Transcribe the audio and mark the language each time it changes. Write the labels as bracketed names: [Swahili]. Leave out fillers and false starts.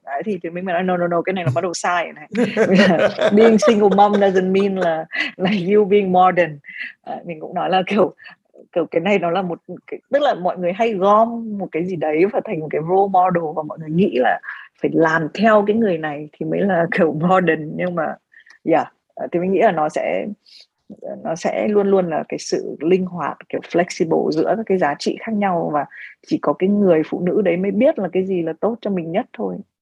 [Vietnamese] Đấy, thì mình nói no, cái này nó bắt đầu sai này. [English] Being single mom doesn't mean là you being modern. [Vietnamese] Mình cũng nói là kiểu cái này nó là một cái, tức là mọi người hay gom một cái gì đấy và thành một cái role model, và mọi người nghĩ là phải làm theo cái người này thì mới là kiểu modern, nhưng mà thì mình nghĩ là nó sẽ luôn luôn là cái sự linh hoạt, kiểu flexible giữa các cái giá trị khác nhau, và chỉ có cái người phụ nữ đấy mới biết là cái gì là tốt cho mình nhất thôi.